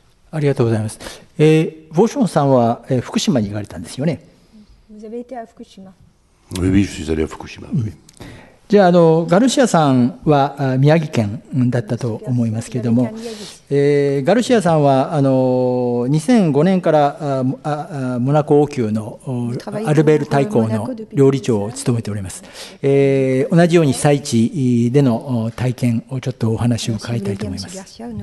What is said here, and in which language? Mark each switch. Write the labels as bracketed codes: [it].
[ja] ありがとうございます。ヴォーションさんは、福島に行かれたんですよね。 [fr] Vous avez été à Fukushima。 Oui, oui, je suis allé à Fukushima, oui. [ja] じゃあ、ガルシアさんは宮城県だったと思いますけれども、ガルシアさんは2005年からモナコ王宮のアルベール大公の料理長を務めております。同じように被災地での体験をちょっとお話を伺いたいと思います。